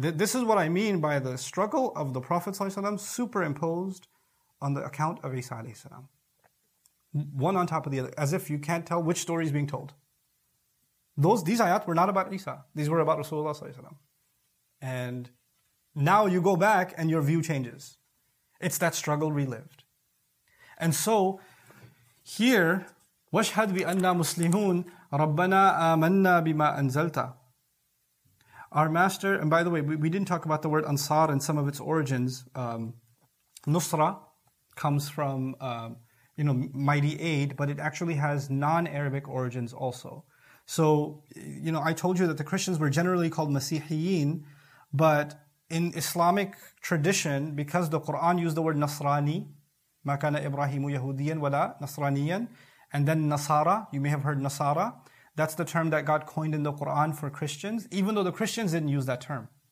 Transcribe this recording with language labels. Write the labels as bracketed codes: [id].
[en] This is what I mean by the struggle of the Prophet ﷺ superimposed on the account of Isa ﷺ. One on top of the other. As if you can't tell which story is being told. These ayat were not about Isa. These were about Rasulullah ﷺ. And now you go back and your view changes. It's that struggle relived. And so, here, [ar] وَشْهَدْ بِأَنَّا مُسْلِمُونَ رَبَّنَا آمَنَّا بِمَا أَنزَلْتَ. [en] Our master, and by the way, we didn't talk about the word Ansar and some of its origins. Nusra comes from, mighty aid, but it actually has non-Arabic origins also. So, you know, I told you that the Christians were generally called Masihiyin, but in Islamic tradition, because the Quran used the word Nasrani, [ar] مَا كَانَ إِبْرَاهِيمُ يَهُودِيًا وَلَا نَصْرَانِيًا, [en] and then Nasara, you may have heard Nasara, that's the term that got coined in the Quran for Christians, even though the Christians didn't use that term.